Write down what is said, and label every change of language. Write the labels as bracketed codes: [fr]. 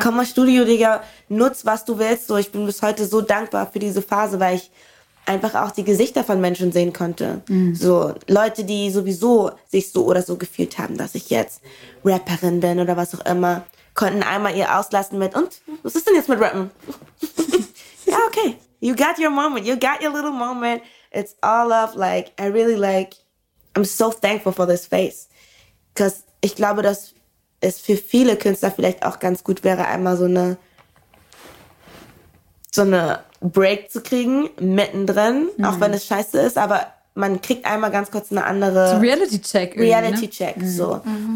[de] Komm mal Studio, Digga, nutz, was du willst. So, ich bin bis heute so dankbar für diese Phase, weil ich einfach auch die Gesichter von Menschen sehen konnte. Mhm. So Leute, die sowieso sich so oder so gefühlt haben, dass ich jetzt Rapperin bin oder was auch immer, konnten einmal ihr auslassen mit, und, was ist denn jetzt mit Rappen? [en] Ja, okay. You got your moment. You got your little moment. It's all love. Like, I really like, I'm so thankful for this face. [de] Because ich glaube, dass es für viele Künstler vielleicht auch ganz gut wäre, einmal so eine Break zu kriegen, mittendrin, mhm, auch wenn es scheiße ist, aber man kriegt einmal ganz kurz eine andere... So Reality-Check. Reality-Check, ne? So. Mhm.